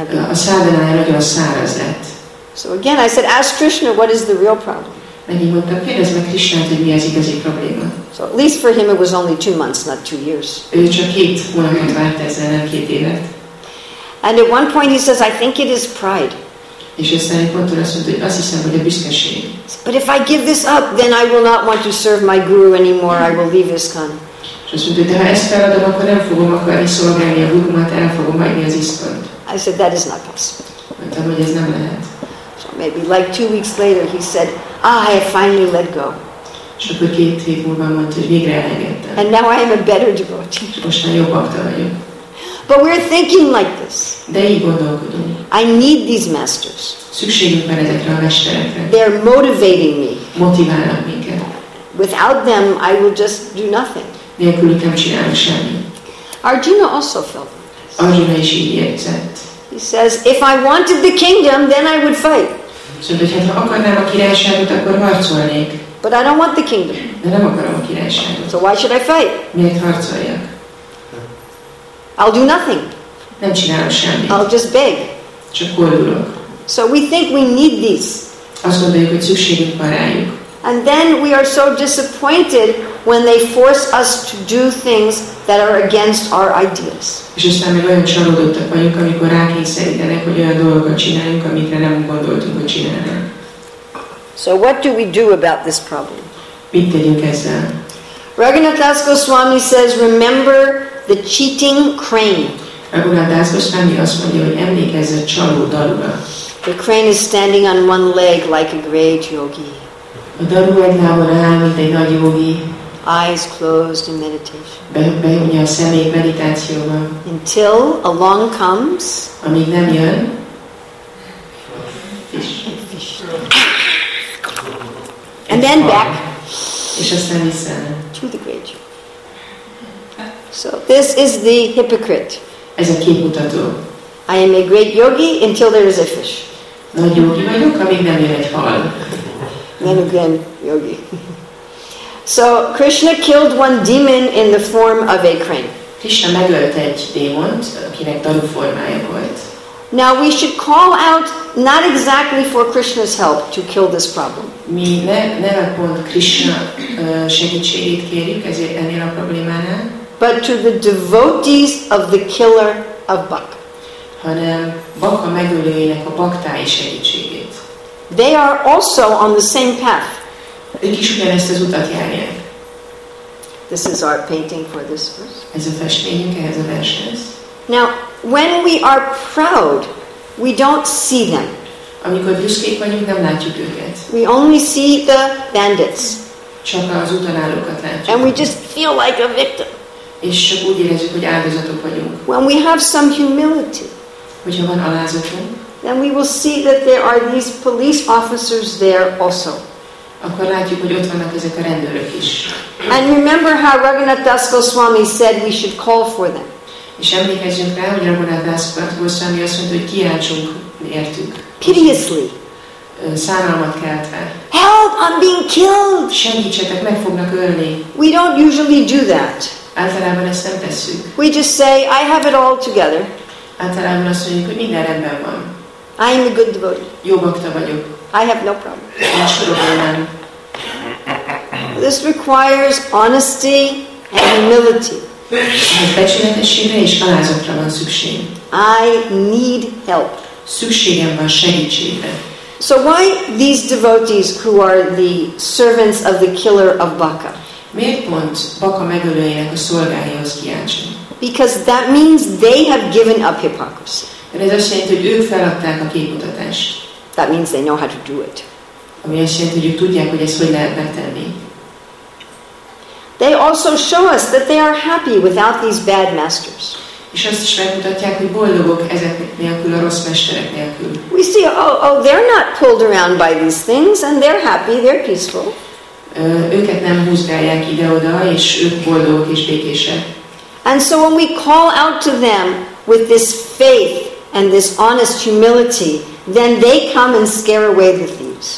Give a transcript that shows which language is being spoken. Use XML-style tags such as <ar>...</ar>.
<hu>A sadhanája nagyon száraz lett.</hu> <en>So again, I said, ask Krishna, what is the real problem?</en> <hu>Megint mondtam, kérdezz meg Krishnát, hogy mi az igazi probléma.</hu> <en>So at least for him it was only 2 months, not 2 years.</en> <hu>Ő csak két hónapot várt ezzel, nem két évet.</hu> <en>And at one point he says, I think it is pride.</en> <hu>És aztán egy ponton azt mondta, hogy azt hiszem, hogy a büszkeség.</hu> <en>But if I give this up, then I will not want to serve my guru anymore, I will leave ISKCON.</en> <hu>És azt mondta, hogy de ha ezt feladom, akkor nem fogom akarni szolgálni a gurumat, el fogom hagyni az ISKCON-t.</hu> <en>I said, that is not possible.</en> <hu>Mondtam, hogy ez nem lehet.</hu> <en>So maybe like 2 weeks later he said, ah, I have finally let go.</en> <hu>És akkor két hét múlva mondta, hogy végre elengedtem.</hu> <en>And now I am a better devotee.</en> <hu>És most már jobb bakta vagyok.</hu> <en>But we're thinking like this.</en> <hu>De így gondolkodunk.</hu> <en>I need these masters.</en> <hu>Szükségünk van ezekre a mesterekre.</hu> <en>They're motivating me.</en> <hu>Motiválnak minket.</hu> <en>Without them, I will just do nothing.</en> <hu>Nélkülük nem csinálunk semmit.</hu> <en>Arjuna also felt like this.</en> <hu>Arjuna is így érzett.</hu> <en>He says, if I wanted the kingdom, then I would fight.</en> <hu>Szóval, hogy ha akarnám a királyságot, akkor harcolnék.</hu> <en>But I don't want the kingdom.</en> <hu>De nem akarom a királyságot.</hu> <en>So why should I fight?</en> <hu>Miért harcoljak?</hu> <en>I'll do nothing.</en> <hu>Nem csinálok semmit.</hu> <en>I'll just beg.</en> <hu>Csak kordulok.</hu> <en>So we think we need these.</en> <hu>Azt gondoljuk, hogy szükségünk van rájuk.</hu> <en>And then we are so disappointed when they force us to do things that are against our ideas.</en> <hu>És aztán még olyan csalódottak vagyunk, amikor rákényszerítenek, hogy olyan dolgokat csináljunk, amikre nem gondoltunk, hogy csinálnánk.</hu> <en>So what do we do about this problem?</en> <hu>Mit tegyünk ezzel?</hu> <en>Raghunath Das Goswami says, remember the cheating crane.</en> <hu>Raghunath Das Goswami azt mondja, hogy emlékezz a csaló darúra.</hu> <en>The crane is standing on one leg like a great yogi.</en> <hu>A daru egy lábon áll, mint egy nagy yogi.</hu> <en>Eyes closed in meditation.</en> <hu>Behunja a szemét meditációban.</hu> <en>Until along comes.</en> <hu>Amíg nem jön.</hu> <en>Fish. And then back.</en> <hu>És aztán vissza.</hu> <en>To the great yogi. So this is the hypocrite.</en> <hu>Ez a képmutató.</hu> <en>I am a great yogi until there is a fish.</en> <hu>Nagy yogi vagyok, amíg nem jön egy hal.</hu> <en>Then again, yogi. So Krishna killed one demon in the form of a crane.</en> <hu>Krishna megölt egy démont, akinek daru formája volt.</hu> <en>Now we should call out not exactly for Krishna's help to kill this problem.</en> <hu>Mi ne pont Krishna segítségét kérjük ennél a problémánál.</hu> <en>But to the devotees of the killer of Bak.</en> <hu>Hanem Bakka megölőjének a baktái segítségét.</hu> <en>They are also on the same path.</en> <hu>Ők is ugyanezt az utat járják.</hu> <en>This is our painting for this verse.</en> <hu>Ez a festményünk ehhez a vershez.</hu> <en>Now, when we are proud, we don't see them.</en> <hu>Amikor büszkék vagyunk, nem látjuk őket.</hu> <en>We only see the bandits.</en> <hu>Csak az utanállókat látjuk.</hu> <en>And we just feel like a victim.</en> <hu>És csak úgy érezzük, hogy áldozatok vagyunk.</hu> <en>When we have some humility,</en> <hu>hogyha van alázatunk,</hu> <en>then we will see that there are these police officers there also.</en> <hu>Akkor látjuk, hogy ott vannak ezek a rendőrök is.</hu> <en>And remember how Raghunath Das Goswami said we should call for them.</en> <hu>És emlékezzünk rá, hogy Raghunath Das Goswami azt mondta, hogy kiáltsunk értük.</hu> <en>Piteously.</en> <hu>Szánalmat keltve.</hu> <en>Help, I'm being killed!</en> <hu>Segítsetek, meg fognak ölni.</hu> <en>We don't usually do that.</en> <hu>Általában ezt nem tesszük.</hu> <en>We just say, I have it all together.</en> <hu>Általában azt mondjuk, hogy minden rendben van.</hu> <en>I am a good devotee.</en> <hu>Jó bakta vagyok.</hu> <en>I have no problem.</en> <hu>Nincs problémám.</hu> <en>This requires honesty and humility.</en> <hu>Becsületességre és alázatra van szükség.</hu> <en>I need help.</en> <hu>Szükségem van segítségre.</hu> <en>So why these devotees who are the servants of the killer of Bakka?</en> <hu>Miért pont Bakka megölőjének a szolgájához kiáltsunk?</hu> <en>Because that means they have given up hypocrisy.</en> <hu>De ez azt jelenti, hogy ők feladták a képmutatást.</hu> <en>That means they know how to do it.</en> <hu>Ami azt jelenti, hogy ők tudják, hogy ezt hogy lehet megtenni.</hu> <en>They also show us that they are happy without these bad masters.</en> <hu>És azt is megmutatják, hogy boldogok ezek nélkül, a rossz mesterek nélkül.</hu> <en>We see, oh, they're not pulled around by these things, and they're happy, they're peaceful.</en> <hu>Őket nem húzgálják ide-oda, és ők boldogok és békések.</hu> <en>And so when we call out to them with this faith and this honest humility, then they come and scare away the thieves.</en>